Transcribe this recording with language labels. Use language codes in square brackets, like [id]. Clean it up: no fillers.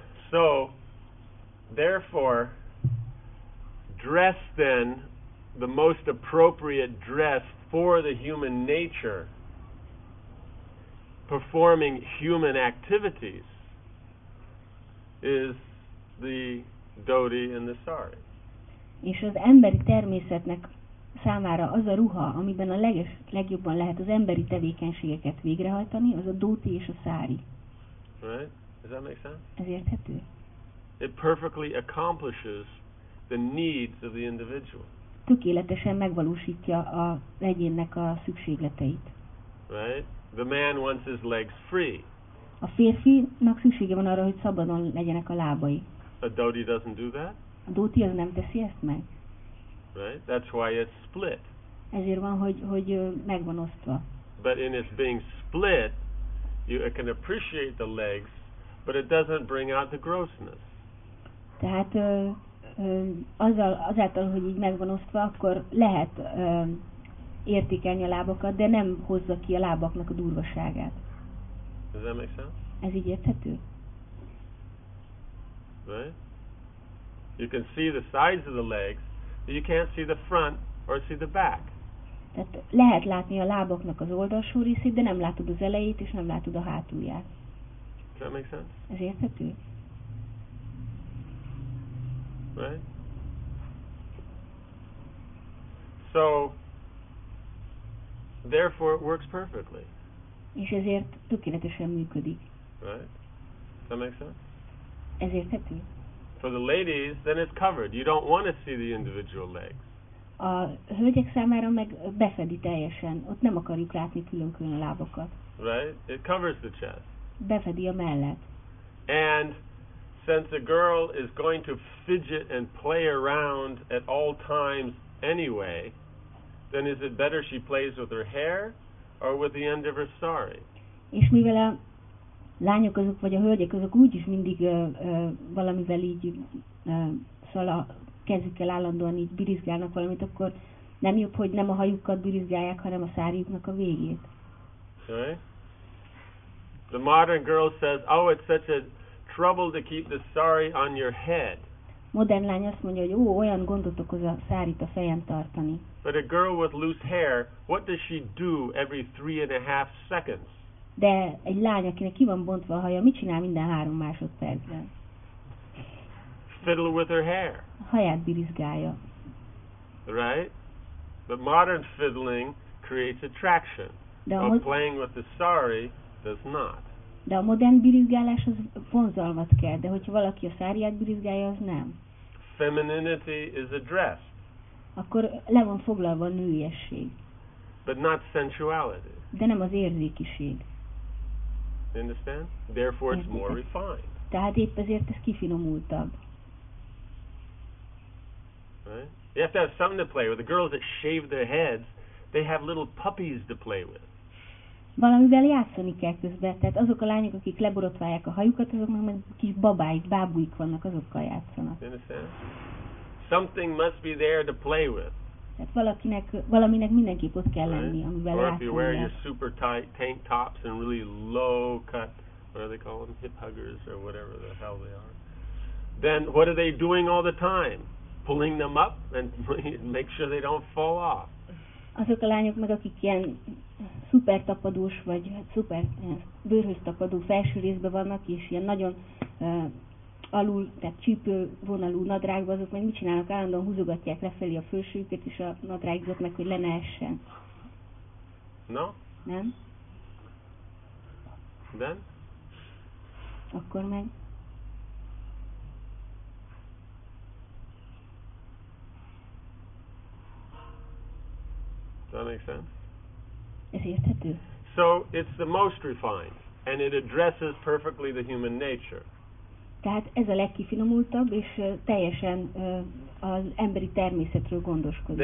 [en] So, therefore, dress then, the most appropriate dress for the human nature, performing human activities, is the dhoti and the sari. [hu] És az emberi természetnek számára az a ruha, amiben a legjobban lehet az emberi tevékenységeket végrehajtani, az a dhoti és a sari. [en] Right? Does that make sense? [hu] Ez érthető. [en] It perfectly accomplishes the needs of the individual. [hu] Tökéletesen megvalósítja a egyénnek a szükségleteit. [en] Right? The man wants his legs free. [hu] A férfinak szüksége van arra, hogy szabadon legyenek a lábai. [en] A dhoti doesn't do that. [hu] A dhoti az nem teszi ezt meg. [en] Right? That's why it's split. [hu] Ezért van, hogy megvan osztva. [en] But in its being split, you can appreciate the legs, but it doesn't bring out the grossness. [hu] Tehát azáltal, hogy így megvan osztva, akkor lehet értékelni a lábakat, de nem hozza ki a lábaknak a durvaságát. [en] Does that make sense? [hu] Ez így érthető? [en] Right? You can see the sides of the legs, but you can't see the front or see the back. [hu] Tehát lehet látni a lábaknak az oldalsó részét, de nem látod az elejét és nem látod a hátulját. [en] Does that make sense? [hu] Ez érthető? [en] Right? So, therefore, it works perfectly. [hu] És ezért tökéletesen működik. [en] Right? Does that make sense? [hu] Ezért tetszik. [en] For the ladies, then it's covered. You don't want to see the individual legs. [hu] A hölgyek számára meg befedi teljesen. Ott nem akarjuk látni külön-külön a lábakat. [en] Right? It covers the chest. [hu] Befedi a mellett. [en] And since a girl is going to fidget and play around at all times anyway, then is it better she plays with her hair or with the end of her sari? [hu] És mivel a lányok azok, vagy a hölgyek azok úgyis mindig valamivel így szóval a kezükkel állandóan így birizgálnak valamit, akkor nem jobb, hogy nem a hajukat birizgálják, hanem a szárjuknak a végét. [en] Okay. The modern girl says, oh, it's such a trouble to keep the sari on your head. [hu] Modern lány azt mondja, hogy ó, olyan gondot okoz a szárit a fejem tartani. [en] But a girl with loose hair, what does she do every 3.5 seconds? [hu] De egy lány, akinek ki van bontva a haja, mit csinál minden 3 másodpercben? [en] Fiddle with her hair. [hu] A haját birizgálja. [en] Right? But modern fiddling creates attraction. Playing with the sari does not. [hu] De a modern birizgálás az vonzalmat kell, de hogyha valaki a száriát birizgálja, az nem. [en] Femininity is addressed. [hu] Akkor le van foglalva a nőiesség. [en] But not sensuality. [hu] De nem az érzékiség. [en] Understand? Therefore it's more refined. [hu] Tehát épp ezért ez kifinomultabb. [en] Right? You have to have something to play with. The girls that shave their heads, they have little puppies to play with. [hu] Valamivel játszani kell közben, tehát azok a lányok, akik leborotválják a hajukat, azok meg kis babáik, bábúik vannak, azokkal játszanak. [en] Something must be there to play with. [hu] Tehát valakinek, valaminek mindenképp ott kell lenni, amivel játszani. [en] Or if you're wearing your super tight tank tops and really low cut, what do they call them, hip huggers or whatever the hell they are, then what are they doing all the time? Pulling them up and make sure they don't fall off. [hu] Azok a lányok meg, akik ilyen szuper tapadós vagy szuper bőrhöz tapadó felső részben vannak, és ilyen nagyon alul, tehát csípő vonalú nadrágban, azok meg mit csinálnak? Állandóan húzogatják lefelé a felsőjüket és a nadrágot meg, hogy le ne essen. [en] No? [hu] Nem? [en] Then? [hu] Akkor meg? [en] Does that make sense? [hu] Ez érthető? [en] So it's the most refined, and it addresses perfectly the human nature. Tehát ez a legkifinomultabb, és teljesen az emberi természetről gondoskodik.